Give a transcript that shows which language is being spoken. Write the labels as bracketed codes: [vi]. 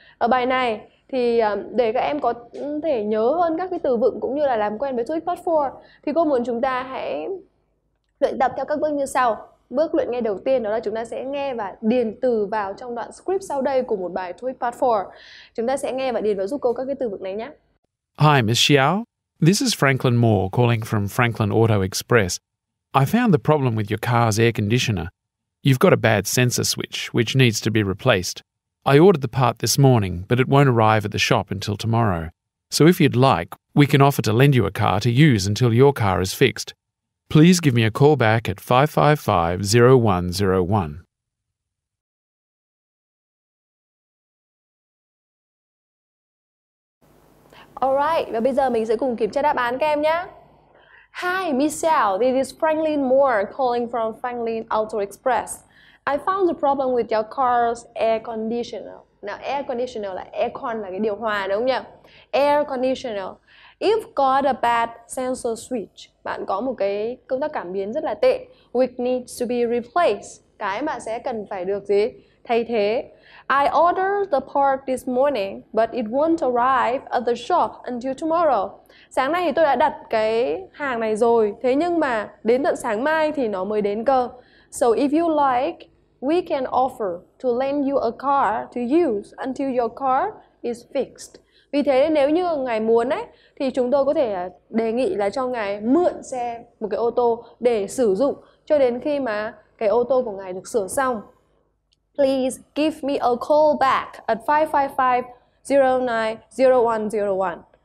[vi] Ở bài này thì để các em có thể nhớ hơn các cái từ vựng cũng như là làm quen với TOEIC Part 4 thì cô muốn chúng ta hãy luyện tập theo các bước như sau. Bước luyện ngay đầu tiên đó là chúng ta sẽ nghe và điền từ vào trong đoạn script sau đây của một bài TOEIC Part 4. Chúng ta sẽ nghe và điền vào giúp cô các cái từ vựng này nhé. [en] Hi Miss Xiao, this is Franklin Moore calling from Franklin Auto Express. I found the problem with your car's air conditioner. You've got a bad sensor switch which needs to be replaced. I ordered the part this morning, but it won't arrive at the shop until tomorrow. So if you'd like, we can offer to lend you a car to use until your car is fixed. Please give me a call back at 555-0101. [vi] Alright, và bây giờ mình sẽ cùng kiểm tra đáp án các em nhé. [en] Hi, Michelle. This is Franklin Moore calling from Franklin Auto Express. I found a problem with your car's air conditioner. [vi] Now, air conditioner là aircon, là cái điều hòa đúng không nhỉ? Air conditioner. [en] You've got a bad sensor switch. [vi] Bạn có một cái công tắc cảm biến rất là tệ. [en] Which needs to be replaced. [vi] Cái mà sẽ cần phải được gì? Thay thế. [en] I ordered the part this morning, but it won't arrive at the shop until tomorrow. [vi] Sáng nay thì tôi đã đặt cái hàng này rồi. Thế nhưng mà đến tận sáng mai thì nó mới đến cơ. [en] So if you like, we can offer to lend you a car to use until your car is fixed. [vi] Vì thế nếu như ngài muốn ấy, thì chúng tôi có thể đề nghị là cho ngài mượn xe, một cái ô tô để sử dụng cho đến khi mà cái ô tô của ngài được sửa xong. [en] Please give me a call back at 555-090101.